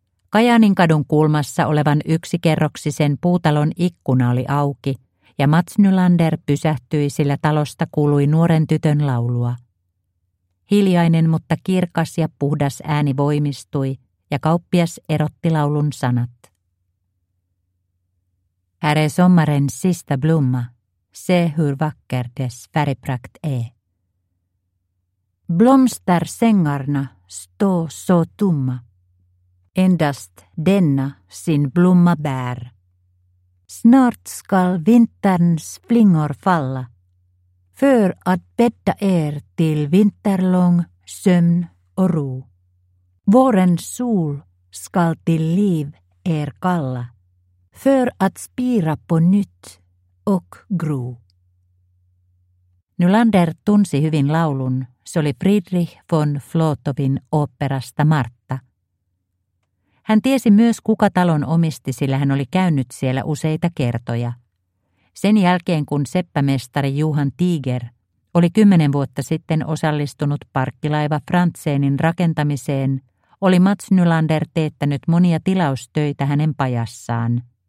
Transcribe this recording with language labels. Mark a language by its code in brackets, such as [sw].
[fi] Kajaanin kadun kulmassa olevan yksikerroksisen puutalon ikkuna oli auki, ja Mats Nylander pysähtyi, sillä talosta kuului nuoren tytön laulua. Hiljainen, mutta kirkas ja puhdas ääni voimistui, ja kauppias erotti laulun sanat. [sv] Här är sommarens sista blomma. Se hur vacker dess färgprakt är. Blomster sängarna stå så tumma. Endast denna sin blomma bär. Snart skall vinterns flingor falla. För att bädda er till vinterlång sömn och ro. Vårens sol skall till liv er kalla. För att spira på nytt och gro. [fi] Nylander tunsi hyvin laulun. Se oli Friedrich von Flotowin oopperasta Martta. Hän tiesi myös, kuka talon omisti, sillä hän oli käynyt siellä useita kertoja. Sen jälkeen, kun seppämestari Johan Tiger oli 10 vuotta sitten osallistunut parkkilaiva Frantseenin rakentamiseen, oli Mats Nylander teettänyt monia tilaustöitä hänen pajassaan.